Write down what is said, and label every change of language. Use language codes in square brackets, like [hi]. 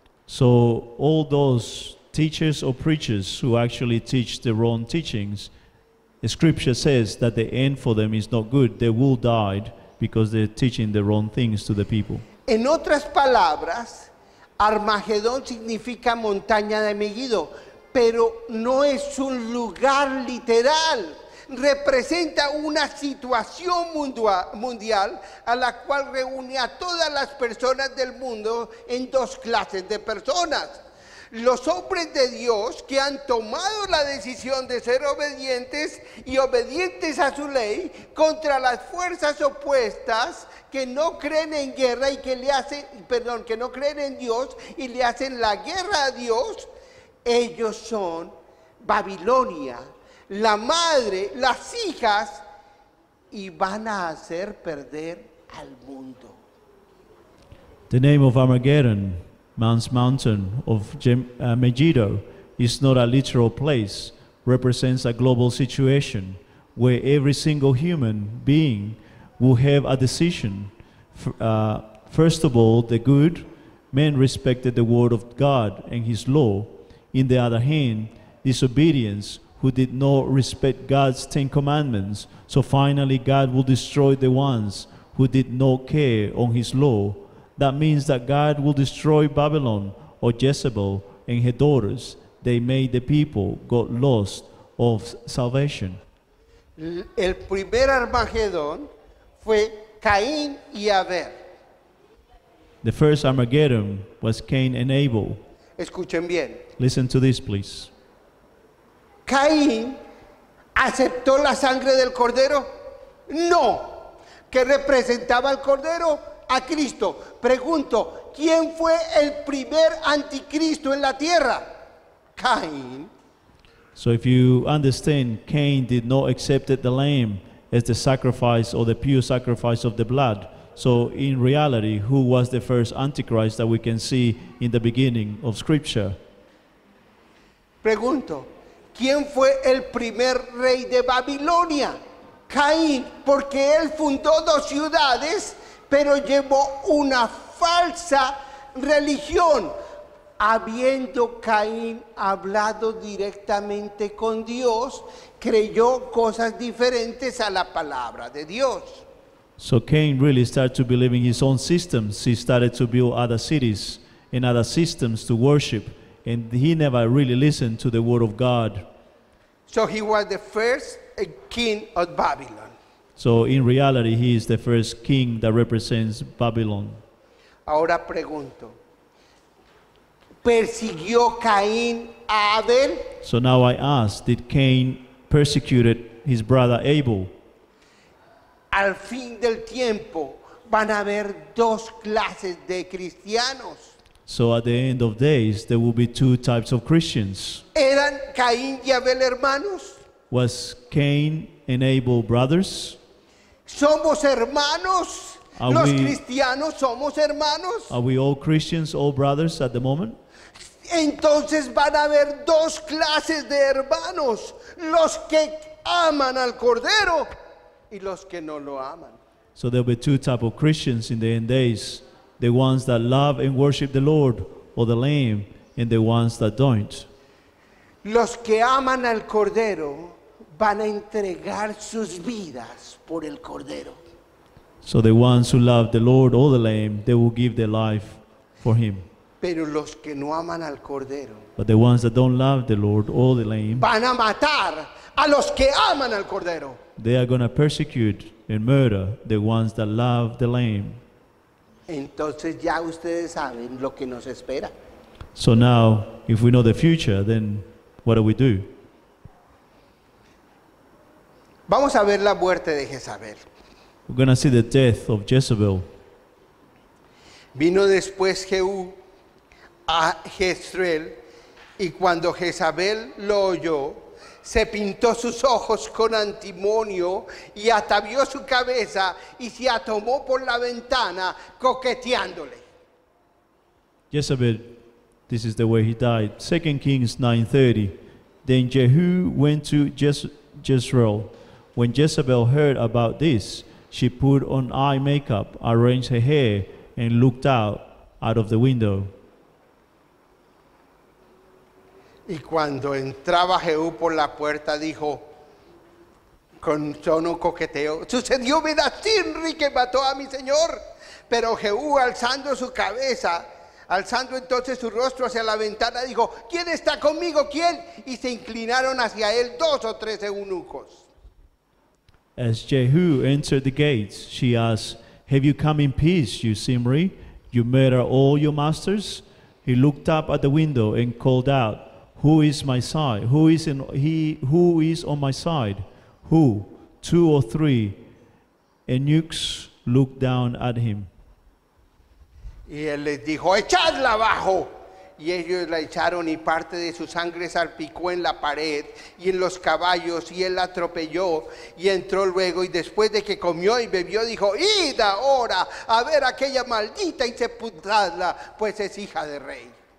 [en] So all those teachers or preachers who actually teach the wrong teachings, the scripture says that the end for them is not good. They will die because they're teaching the wrong things to the people. [es] En otras palabras, Armagedón significa montaña de Megiddo, pero no es un lugar literal. Representa una situación mundial a la cual reúne a todas las personas del mundo en dos clases de personas. Los hombres de Dios que han tomado la decisión de ser obedientes y obedientes a su ley contra las fuerzas opuestas que no creen en guerra y que le hacen, perdón, que no creen en Dios y le hacen la guerra a Dios, ellos son Babilonia, la madre, las hijas, y van a hacer perder al mundo. [en] The name of Armageddon, Man's Mountain of Megiddo, is not a literal place, represents a global situation where every single human being will have a decision. First of all, the good men respected the word of God and his law. In the other hand, disobedience, who did not respect God's Ten Commandments. So finally, God will destroy the ones who did not care on his law. That means that God will destroy Babylon or Jezebel and her daughters. They made the people got lost of salvation. [es] El primer Armagedón fue Caín y Abel. [en] The first Armageddon was Cain and Abel. [es] Escuchen bien. [en] Listen to this, please. [es] Caín aceptó la sangre del cordero. No. ¿Qué representaba el cordero? A Cristo. Pregunto, ¿quién fue el primer anticristo en la tierra? Caín. [en] So if you understand, Cain did not accept the lamb as the sacrifice or the pure sacrifice of the blood. So in reality, who was the first antichrist that we can see in the beginning of scripture? [es] Pregunto, ¿quién fue el primer rey de Babilonia? Caín, porque él fundó dos ciudades, pero llevó una falsa religión, habiendo Caín hablado directamente con Dios, creyó cosas diferentes a la palabra de Dios. [en] So Cain really started to believe in his own systems. He started to build other cities and other systems to worship, and he never really listened to the word of God. So he was the first king of Babylon. So in reality, he is the first king that represents Babylon. [es] Ahora pregunto, ¿persiguió Caín a Abel? [en] So now I ask, did Cain persecute his brother Abel? [es] Al fin del tiempo, van a haber dos clases de cristianos. [en] So at the end of days, there will be two types of Christians. [es] ¿Eran Caín y Abel hermanos? [en] Was Cain and Abel brothers? [es] ¿Somos hermanos? ¿Los cristianos somos hermanos? [en] Are we all Christians, all brothers at the moment? [es] Entonces van a haber dos clases de hermanos. Los que aman al Cordero y los que no lo aman. [en] So there will be two types of Christians in the end days. The ones that love and worship the Lord or the Lamb, and the ones that don't. [es] Los que aman al Cordero van a entregar sus vidas por el Cordero. [en] So the ones who love the Lord or the Lamb, they will give their life for him. [es] Pero los que no aman al Cordero, [en] but the ones that don't love the Lord or the Lamb, [es] van a matar a los que aman al Cordero. [en] They are going to persecute and murder the ones that love the Lamb. [es] Entonces ya ustedes saben lo que nos espera. [en] So now, if we know the future, then what do we do? [es] Vamos a ver la muerte de Jezabel. [en] We're going to see the death of Jezebel. [es] Vino después Jehú a Jezreel Y cuando Jezabel lo oyó, se pintó sus ojos con antimonio y atavió su cabeza y se atomó por la ventana coqueteándole. [en] Jezabel, this is the way he died. 2 Kings 9:30. Then Jehu went to Jezreel. When Jezebel heard about this, she put on eye makeup, arranged her hair, and looked out of the window. [es] Y cuando entraba Jehú por la puerta, dijo con tono coqueteo, sucedió Benasínri que mató a mi señor. Pero Jehú, alzando su cabeza, alzando entonces su rostro hacia la ventana, dijo, ¿quién está conmigo? ¿Quién? Y se inclinaron hacia él dos o tres eunucos. [en] As Jehú entered the gates, she asked, have you come in peace, you Zimri? You murder all your masters? He looked up at the window and called out, who is my side? Who is on my side? Who? Two or three eunuchs looked down at him. [es] Y él les dijo, echadla abajo. Y ellos la echaron y parte de su sangre salpicó en la pared y en los caballos y él la atropelló y entró luego y después de que comió y bebió dijo, id ahora a ver a aquella maldita y sepultadla, pues es hija de rey.